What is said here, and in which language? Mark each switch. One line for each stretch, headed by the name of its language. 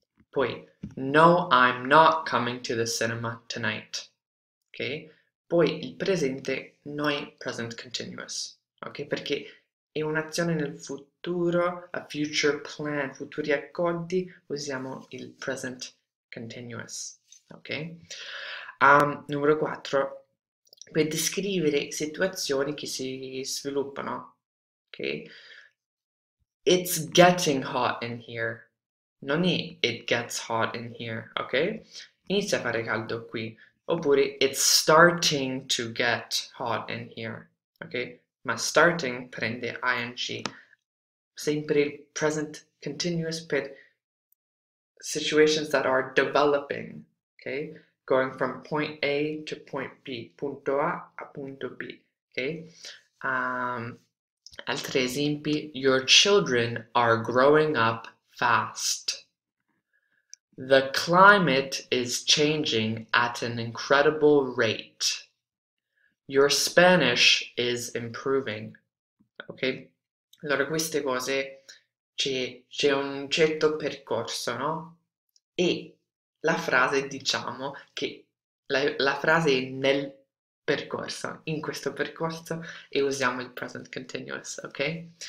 Italian: Poi, no,
English: I'm not coming to the cinema tonight.
Italian: Ok? Poi il presente, no, è present continuous. Ok? Perché è un'azione nel futuro,
English: a future plan,
Italian: futuri accordi, usiamo il present continuous, ok? Numero 4, per descrivere situazioni che si sviluppano, ok?
English: It's getting hot in here.
Italian: Non è
English: it gets hot in here, ok?
Italian: Inizia a fare caldo qui. Oppure
English: it's starting to get hot in here, ok?
Italian: Ma starting prende ing. Sempre il present continuous per
English: situations that are developing,
Italian: ok?
English: Going from point A to point B,
Italian: punto A a punto B,
English: ok?
Italian: Altri esempi,
English: your children are growing up fast. The climate is changing at an incredible rate. Your Spanish is improving, ok?
Italian: Allora, queste cose c'è un certo percorso, no? E la frase, diciamo, che la frase è nel percorso, in questo percorso, e usiamo il present continuous, ok?